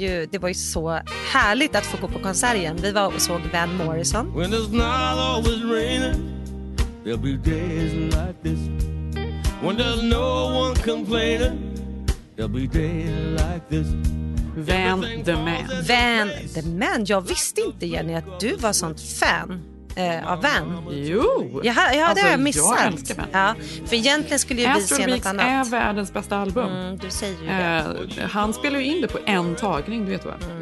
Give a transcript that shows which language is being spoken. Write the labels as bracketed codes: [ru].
[sv] Det var ju så härligt att få gå på konserten. Vi var och såg Van Morrison. [en] When it's not always raining, there'll be days like this. When there's no one complaining, there'll be days like this. Van the Man. Van the Man. [sv] Jag visste inte, Jenny, att du var sånt fan. Av Van. Jo, det har jag missat. Jag älskar Van. Ja, för egentligen skulle ju vi se något annat. Astrobeats är världens bästa album. Mm, du säger ju det. Han spelar ju in det på en tagning, du vet vad.